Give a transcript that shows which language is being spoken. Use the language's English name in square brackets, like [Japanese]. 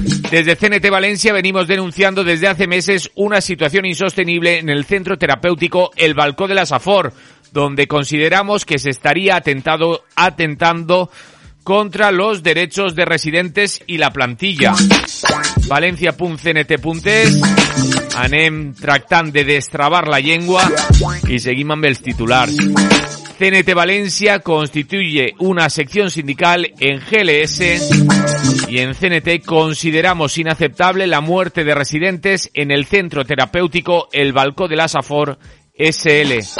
[Spanish] Desde CNT Valencia venimos denunciando desde hace meses una situación insostenible en el centro terapéutico El Balcó de la Safor, donde consideramos que se estaría atentando contra los derechos de residentes y la plantilla. Valencia.cnt.es. [Catalan] Anem tractant de destrabar la llengua i seguim amb els titulars. [Spanish] CNT València constituye una sección sindical en GLS y en CNT consideramos inaceptable la muerte de residentes en el centro terapéutico El Balcó de la Safor SL.